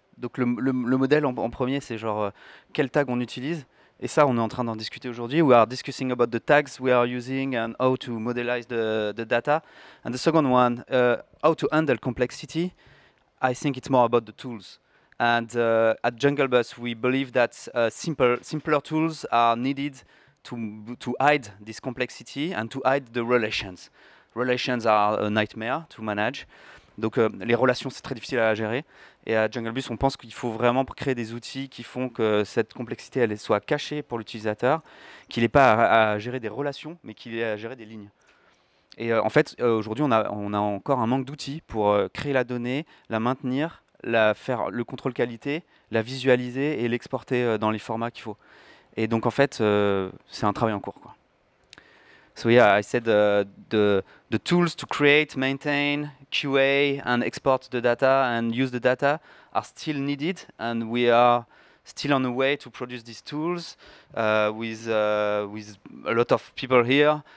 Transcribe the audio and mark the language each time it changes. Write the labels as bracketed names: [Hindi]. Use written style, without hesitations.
[French] Donc le modèle en premier, c'est genre quel tag on utilise. Et ça, on est en train d'en discuter aujourd'hui. [English] We are discussing about the tags we are using and how to modelize the data. And the second one, how to handle complexity. I think it's more about the tools. And at Jungle Bus, we believe that simpler tools are needed to hide this complexity and to hide the relations. Relations are a nightmare to manage. [French] Donc les relations, c'est très difficile à gérer. Et à Junglebus, on pense qu'il faut vraiment créer des outils qui font que cette complexité elle soit cachée pour l'utilisateur, qu'il n'ait pas à gérer des relations, mais qu'il ait à gérer des lignes. Et en fait, aujourd'hui, on a encore un manque d'outils pour créer la donnée, la maintenir, la faire le contrôle qualité, la visualiser et l'exporter dans les formats qu'il faut. Et donc, en fait, c'est un travail en cours, quoi. [English] So yeah, I said the tools to create, maintain, QA and export the data and use the data are still needed, and we are still on the way to produce these tools with a lot of people here.